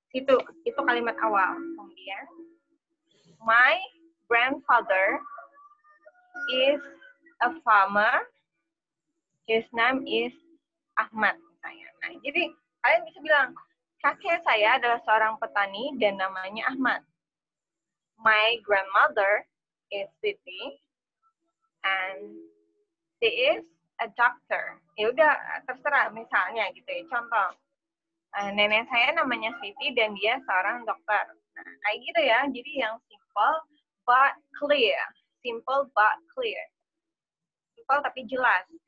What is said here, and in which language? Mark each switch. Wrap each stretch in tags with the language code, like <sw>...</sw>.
<id>Itu kalimat awal. Kemudian,</id> <en>my grandfather is a farmer. His name is Ahmad.</en> <id>Nah, jadi, kalian bisa bilang, kakek saya adalah seorang petani dan namanya Ahmad.</id> <en>My grandmother is Siti and she is a doctor.</en> <id>Ya udah, terserah misalnya gitu ya. Contoh, nenek saya namanya Siti dan dia seorang dokter. Nah, kayak gitu ya. Jadi yang</id> <en>simple but clear. Simple but clear. Simple</en> <id>tapi jelas.</id>